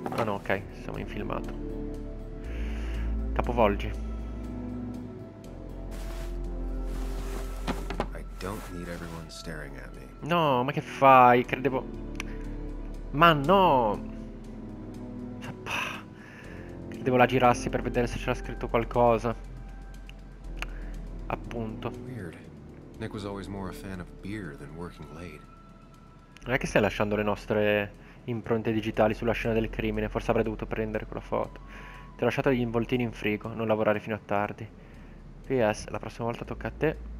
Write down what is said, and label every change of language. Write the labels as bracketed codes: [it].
[it] Ah no, ok, siamo in filmato. Capovolgi. [en] I don't need everyone staring at me. [it] No, ma che fai? Credevo... Ma no! Credevo la girassi per vedere se c'era scritto qualcosa. Appunto. [en] Weird. Nick was always more a fan of beer than working late. [it] Non è che stai lasciando le nostre... impronte digitali sulla scena del crimine. Forse avrei dovuto prendere quella foto. Ti ho lasciato gli involtini in frigo. Non lavorare fino a tardi. P.S. La prossima volta tocca a te.